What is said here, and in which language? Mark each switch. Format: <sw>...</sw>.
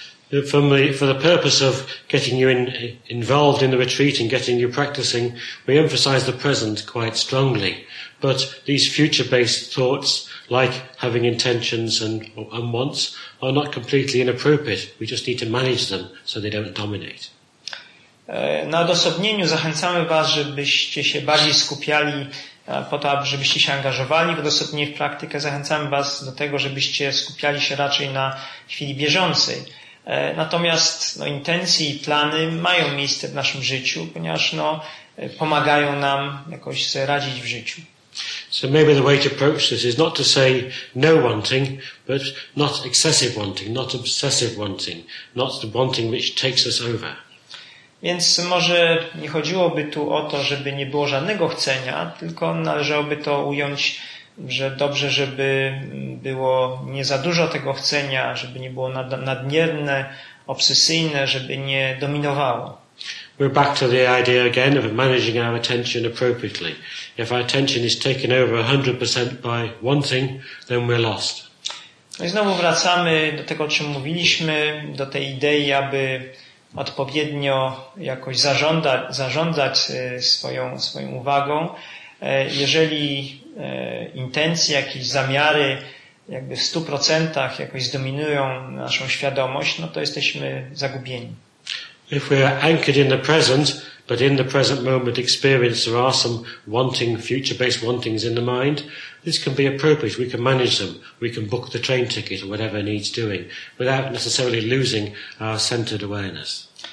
<en>For the purpose of getting you involved in the retreat and getting you practicing, we emphasize the present quite strongly. But these future-based thoughts, like having intentions and wants, are not completely inappropriate. We just need to manage them so they don't dominate.</en> <pl>Na odosobnieniu zachęcamy Was, żebyście się bardziej skupiali po to, żebyście się angażowali w odosobnienie w praktykę. Zachęcamy Was do tego, żebyście skupiali się raczej na chwili bieżącej. Natomiast no, intencje i plany mają miejsce w naszym życiu, ponieważ no, pomagają nam jakoś sobie radzić w życiu.</pl> <en>So maybe the way to approach this is not to say no wanting, but not excessive wanting, not obsessive wanting, not the wanting which takes us over.</en> <pl>Więc może nie chodziłoby tu o to, żeby nie było żadnego chcenia, tylko należałoby to ująć, że dobrze, żeby było nie za dużo tego chcenia, żeby nie było nadmierne, obsesyjne, żeby nie dominowało.</pl> <en>We're back to the idea again of managing our attention appropriately. If our attention is taken over 100% by wanting, then we're lost.</en> <pl>No i znowu wracamy do tego, o czym mówiliśmy, do tej idei, aby odpowiednio jakoś zarządzać swoją uwagą. Jeżeli intencje, jakieś zamiary jakby w 100% jakoś zdominują naszą świadomość, no to jesteśmy zagubieni.</pl> <en>If we are anchored in the present, but in the present moment experience there are some wanting, future-based wantings in the mind, this can be appropriate. We can manage them. We can book the train ticket or whatever needs doing without necessarily losing our centered awareness.</en>